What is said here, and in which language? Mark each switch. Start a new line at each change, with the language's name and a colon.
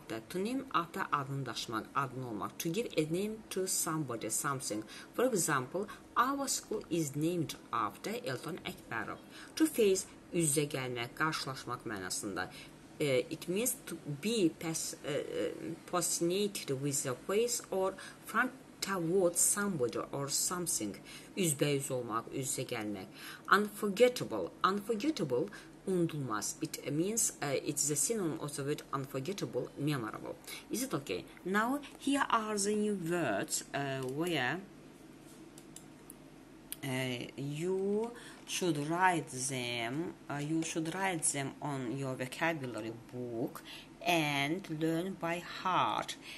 English: To name after
Azerbaijani: adın daşmaq, adın olmaq.
English: To give a name to somebody, something. For example, our school is named after Elton Akbarov. To face,
Azerbaijani: üzə gəlmək, qarşılaşmaq mənasında.
English: It means to be postinated with the face or front towards somebody or something.
Azerbaijani: Üzbəyüz olmaq, üzə gəlmək.
English: Unforgettable.
Azerbaijani: Unutulmaz.
English: It means it is a synonym of the word unforgettable, memorable. Is it okay? Now, here are the new words where you should write them on your vocabulary book and learn by heart.